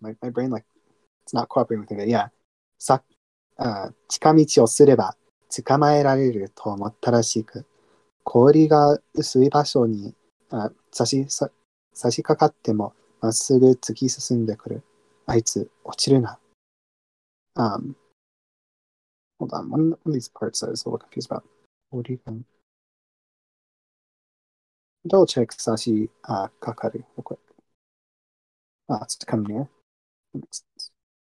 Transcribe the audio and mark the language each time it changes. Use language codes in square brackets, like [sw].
[en] My brain, like, it's not cooperating with me. Yeah. [ja] さ、近道をすれば捕まえられると思ったらしく、氷が薄い場所に差しかかってもまっすぐ突き進んでくる。あいつ、落ちるな。 [en] Hold on, one of these parts I was a little confused about. What do you think? Double check sashi kakaru real quick. Ah, it's to come near. That makes sense.